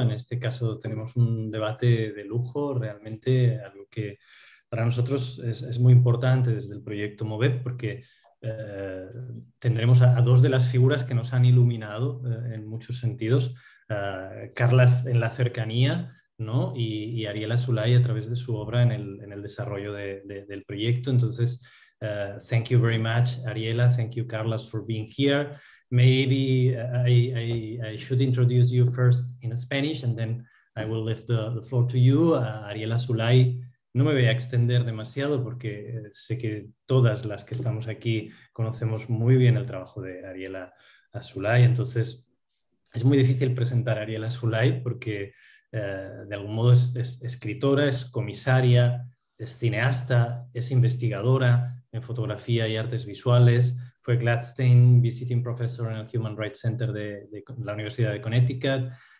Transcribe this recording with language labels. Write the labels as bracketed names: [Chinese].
[Spanish] En este caso tenemos un debate de lujo, realmente algo que para nosotros es muy importante desde el proyecto MOVEP, porque tendremos a dos de las figuras que nos han iluminado en muchos sentidos, Carles en la cercanía, ¿no? y Ariella Azoulay a través de su obra en el desarrollo del proyecto. [English] Entonces, thank you very much, Ariella. Thank you, Carles, for being here. Maybe I should introduce you first in Spanish and then I will leave the floor to you. [Spanish] Ariella Azoulay, no me voy a extender demasiado porque sé que todas las que estamos aquí conocemos muy bien el trabajo de Ariella Azoulay. Entonces, es muy difícil presentar a Ariella Azoulay porque de algún modo es escritora, es comisaria, es cineasta, es investigadora en fotografía y artes visuales, fue Gladstein Visiting Professor en el Human Rights Center de la Universidad de Connecticut,